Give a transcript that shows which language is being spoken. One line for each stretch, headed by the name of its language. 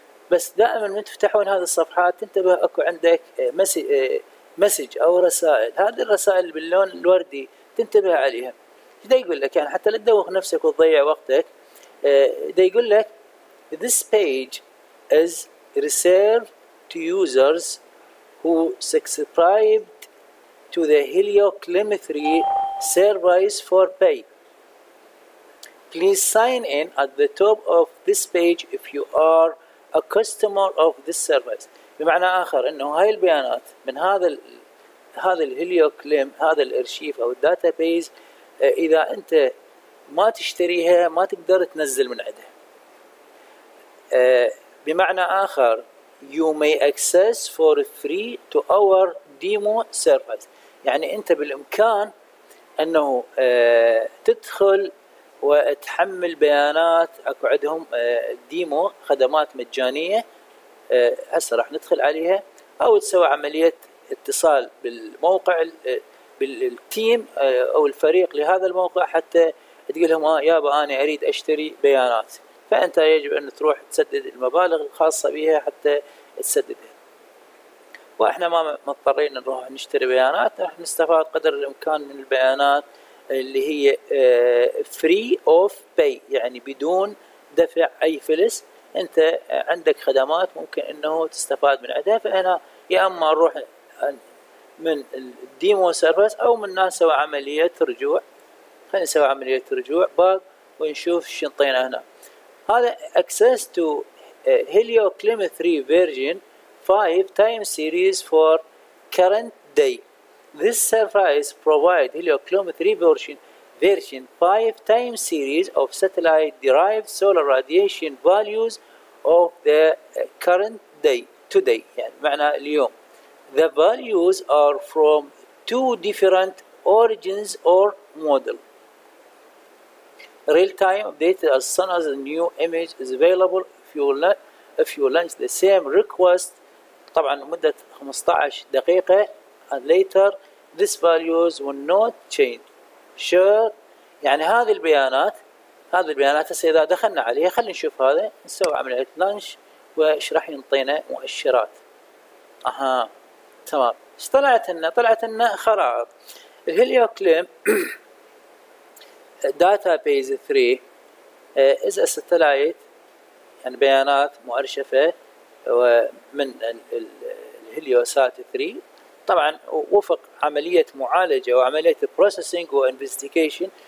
Arabic: بس دائما من تفتحون هذه الصفحات تنتبه اكو عندك مسج او رسائل. هذه الرسائل باللون الوردي تنتبه عليها. ده يقول لك يعني حتى لا تدوخ نفسك وتضيع وقتك. ده يقول لك
English: this page is reserved to users who subscribed to the heliocalimetry service for pay. Please sign in at the top of this page if you are a customer of this service.
Arabic: بمعنى آخر إنه هاي البيانات من هذا الهيليوكليم هذا الأرشيف أو الداتابيز إذا أنت ما تشتريها ما تقدر تنزل من عنده. بمعنى آخر
English: you may access for free to our demo service.
Arabic: يعني أنت بالإمكان إنه تدخل وتحمل بيانات اكو عندهم ديمو خدمات مجانيه هسه راح ندخل عليها او تسوي عمليه اتصال بالموقع بالتيم او الفريق لهذا الموقع حتى تقول لهم يابا انا اريد اشتري بيانات فانت يجب ان تروح تسدد المبالغ الخاصه بها حتى تسددها. واحنا ما مضطرين نروح نشتري بيانات راح نستفاد قدر الامكان من البيانات اللي هي
English: free of pay
Arabic: يعني بدون دفع أي فلس. أنت عندك خدمات ممكن أنه تستفاد من عدها فأنا يا أما نروح من الديمو سيرفس أو من ناس سوى عملية رجوع. خلينا نسوي عملية رجوع باق ونشوف شنطينا هنا.
English: هذا access to heliocalimetry version 5 time series for current day. This service provides heliocalimetry version 5 time series of satellite derived solar radiation values of the current day today.
Arabic: يعني معنى اليوم.
English: The values are from two different origins or model. Real time updated as soon as a new image is available. If you launch the same request,
Arabic: طبعا مدة 15 دقيقة
English: and later. This values will not change. Sure.
Arabic: يعني هذه البيانات إذا دخلنا عليها خلينا نشوف هذا نسوي عملية لانش وإيش راح ينطينا مؤشرات. أها تمام. إيش طلعت لنا خرائط. الهيليوكليم داتابيز 3 إز أستلايت يعني بيانات مؤرشفة ومن الهيليوسات 3 طبعا وفق عملية معالجة وعملية processing و investigation.